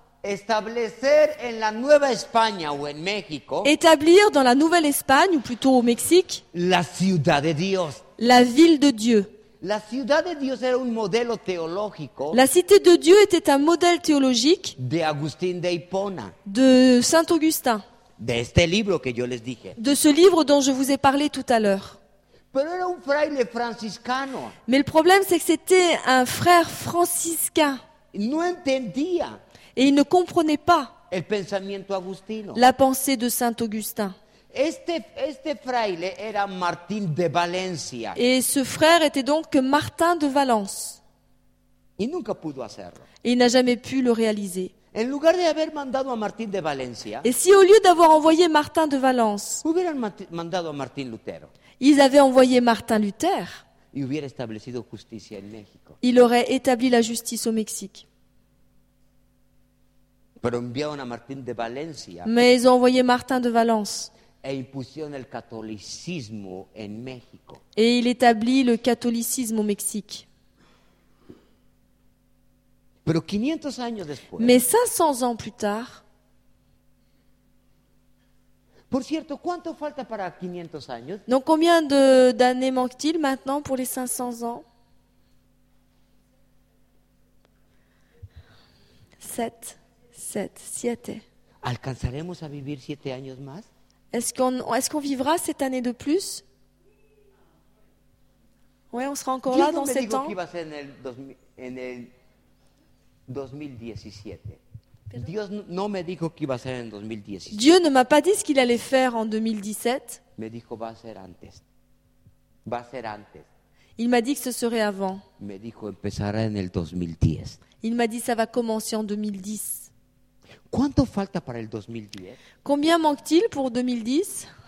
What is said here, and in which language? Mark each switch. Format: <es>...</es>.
<es>Establecer en la Nueva España o en México,</es> <fr>établir dans la Nouvelle Espagne ou plutôt au Mexique</fr> <es>la ciudad de Dios,</es> <fr>la ville de Dieu.</fr> <es>La ciudad de Dios era un modelo teológico,</es> <fr>la cité de Dieu était un modèle théologique</fr> <es>de Agustín de Hipona,</es> <fr>de Saint Augustin,</fr> <es>de este libro que yo les dije,</es> <fr>de ce livre dont je vous ai parlé tout à l'heure.</fr> <es>Pero era un fraile franciscano.</es> <fr>Mais le problème c'est que c'était un frère franciscain.</fr> <es>No entendía.</es> <fr>Et il ne comprenait pas</fr> <es>el pensamiento agustino.</es> <fr>La pensée de Saint Augustin.</fr> <es>Este fraile era Martín de Valencia.</es> <fr>Et ce frère était donc Martin de Valence.</fr> <es>Y nunca pudo hacerlo.</es> <fr>Et il n'a jamais pu le réaliser.</fr> <es>En lugar de haber mandado a Martín de Valencia,</es> <fr>et si au lieu d'avoir envoyé Martin de Valence,</fr> <es>hubieran mandado a Martín Lutero,</es> <fr>ils avaient envoyé Martin Luther,</fr> <es>y hubiera establecido justicia en México.</es> <fr>Il aurait établi la justice au Mexique.</fr> <es>Pero enviaron a Martín de Valencia.</es> <fr>Mais ils ont envoyé Martin de Valence.</fr> <es>E impusieron el catolicismo en México.</es> <fr>Et il établit le catholicisme au Mexique.</fr> <es>Pero 500 años después.</es> <fr>Mais 500 ans plus tard.</fr> <es>Por cierto, ¿cuánto falta para 500 años?</es> <fr>Donc combien d'années manque-t-il maintenant pour les 500 ans?</fr> <es>7. 7. ¿Alcanzaremos a vivir 7 años más?</es> <fr>Est-ce qu'on vivra cette année de plus? Ouais, on sera encore</fr> <es>yo</es> <fr>là</fr> <es>no</es> <fr>dans 7 ans.</fr> <es>Yo me digo que iba a ser en el 2017. Pero... Dios no me dijo que iba a ser en 2017.</es> <fr>Dieu ne m'a pas dit ce qu'il allait faire en 2017.</fr> <es>Me dijo va a ser antes. Va a ser antes.</es> <fr>Il m'a dit que ce serait avant.</fr> <es>Me dijo empezará en el 2010.</es> <fr>Il m'a dit ça va commencer en 2010.</fr> <es>¿Cuánto falta para el 2010?</es> <fr>Combien manque-t-il pour 2010?</fr>